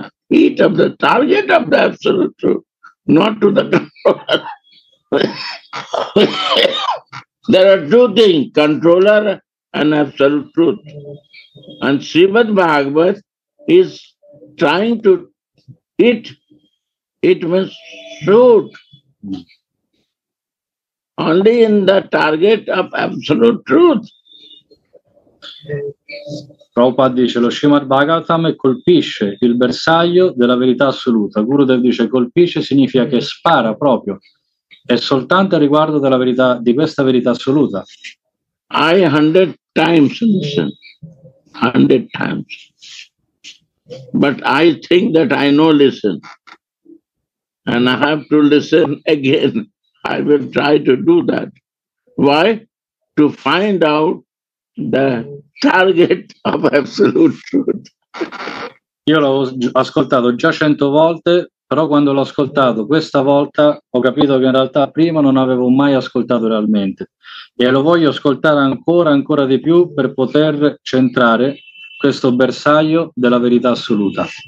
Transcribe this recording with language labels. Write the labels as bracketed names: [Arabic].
[English] Hit of the target of the absolute truth, not to the There are 2 things, controller and absolute truth. And Srimad Bhagavat is trying to hit, it must shoot only in the target of absolute truth. [Italian] Prabhupada dice, lo Srimad Bhagavatam colpisce il bersaglio della verità assoluta. Gurudev dice, colpisce significa che spara proprio. È soltanto a riguardo della verità, di questa verità assoluta. [English] I 100 times listen, 100 times. But I think that I know listen. And I have to listen again. I will try to do that. Why? To find out the target of absolute truth. [Italian] Io l'ho ascoltato già 100 volte, però quando l'ho ascoltato questa volta ho capito che in realtà prima non avevo mai ascoltato realmente. E lo voglio ascoltare ancora, ancora di più per poter centrare questo bersaglio della verità assoluta.